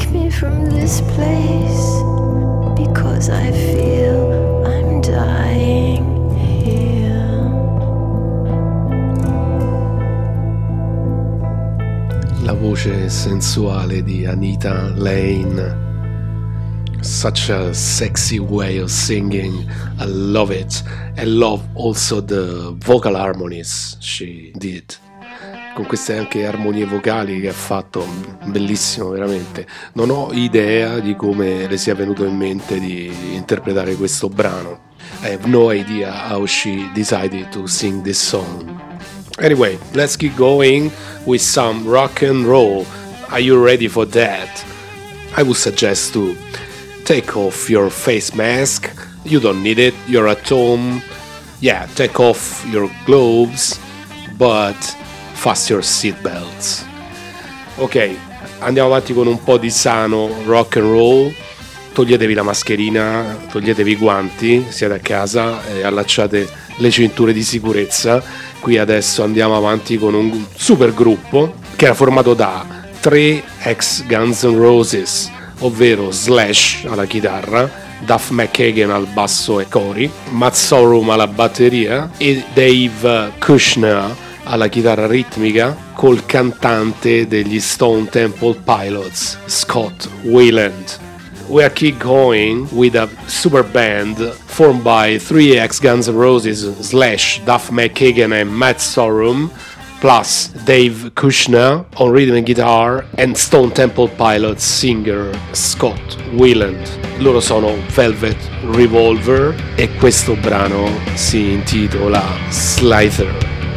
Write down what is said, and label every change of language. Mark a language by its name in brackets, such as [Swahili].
[English] from this place because I feel I'm dying here. [Italian] La voce sensuale di Anita Lane. [English] Such a sexy way of singing. I love it. I love also the vocal harmonies she did. [Italian] Con queste anche armonie vocali che ha fatto, bellissimo veramente. Non ho idea di come le sia venuto in mente di interpretare questo brano. [English] I have no idea how she decided to sing this song. Anyway, let's keep going with some rock and roll. Are you ready for that? I would suggest to take off your face mask. You don't need it, you're at home. Yeah, take off your gloves, but fasten your seatbelts. [Italian] Ok, andiamo avanti con un po' di sano rock and roll. Toglietevi la mascherina, toglietevi i guanti, siete a casa e allacciate le cinture di sicurezza. Qui adesso andiamo avanti con un super gruppo che era formato da 3 ex Guns N' Roses, ovvero Slash alla chitarra, Duff McKagan al basso e cori, Matt Sorum alla batteria e Dave Kushner alla chitarra ritmica, col cantante degli Stone Temple Pilots, Scott Weiland. [English] We are keep going with a super band formed by 3 ex Guns N' Roses, Slash, Duff McKagan and Matt Sorum, plus Dave Kushner on rhythm and guitar and Stone Temple Pilots singer Scott Weiland. [Italian] Loro sono Velvet Revolver e questo brano si intitola Slither.